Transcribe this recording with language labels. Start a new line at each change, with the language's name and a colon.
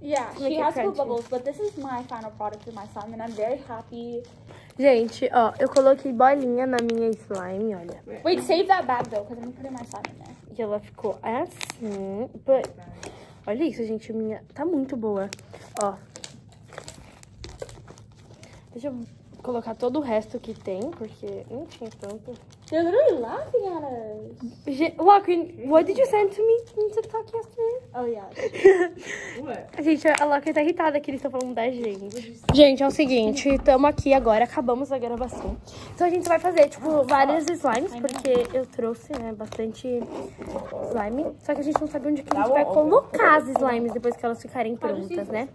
English: Yeah, she has to put bubbles, but this is my final product for my slime, and I'm very happy.
Portuguese: Gente, ó, eu coloquei bolinha na minha slime, olha.
English: Wait, save that bag, though, because I'm putting my slime in there.
Portuguese: E ela ficou assim, but... Olha isso, gente, minha tá muito boa. Ó. Deixa eu... colocar todo o resto que tem, porque não tinha tanto.
English: They're literally laughing at us. Lachlan, what did you send to me in TikTok yesterday? Oh, yeah. What?
Portuguese: Gente, a Lachlan tá irritada que eles estão falando da gente. Gente, é o seguinte, estamos aqui agora, acabamos a gravação. Então a gente vai fazer, tipo, várias slimes, porque eu trouxe, né, bastante slime. Só que a gente não sabe onde que a gente vai colocar as slimes depois que elas ficarem prontas, né?